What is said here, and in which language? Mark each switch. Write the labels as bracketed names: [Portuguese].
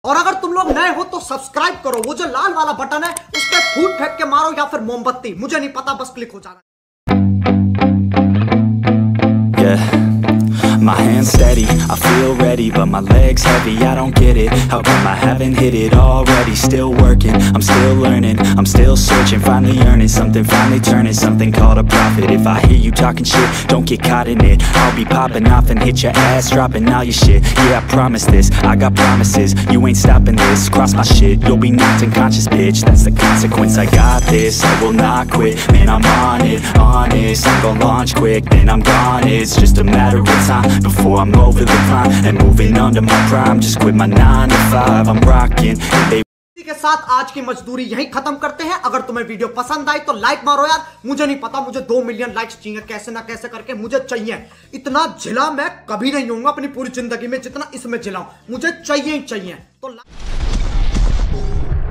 [Hindi] और अगर तुम लोग नए हो तो सब्सक्राइब करो, वो जो लाल वाला बटन है उस पर फूट फेंक के मारो या फिर मोमबत्ती, मुझे नहीं पता, बस क्लिक हो जाना। [English] My hand's steady, I feel ready, but my leg's heavy, I don't get it. How come I haven't hit it already? Still working, I'm still learning, I'm still searching, finally earning something, finally turning something called a profit. If I hear you talking shit, don't get caught in it. I'll be popping off and hit your ass, dropping all your shit. Yeah, I promise this, I got promises, you ain't stopping this. Cross my shit, you'll be knocked unconscious, bitch. That's the consequence, I got this, I will not quit. Man, I'm on it, honest, I'm gonna launch quick. Then I'm gone, it's just a matter of time before I'm over the prime and moving under my prime. Just quit my 9 to 5, I'm rocking. [Hindi] के साथ आज की मजदूरी यहीं खत्म करते हैं। अगर तुम्हें वीडियो पसंद आई तो लाइक मारो यार, मुझे नहीं पता, मुझे 2 मिलियन लाइक्स चाहिए कैसे ना कैसे करके, मुझे चाहिए। इतना झिला मैं कभी नहीं हूंगा अपनी पूरी जिंदगी में जितना इसमें झिलाऊं, मुझे चाहिए ही चाहिए। तो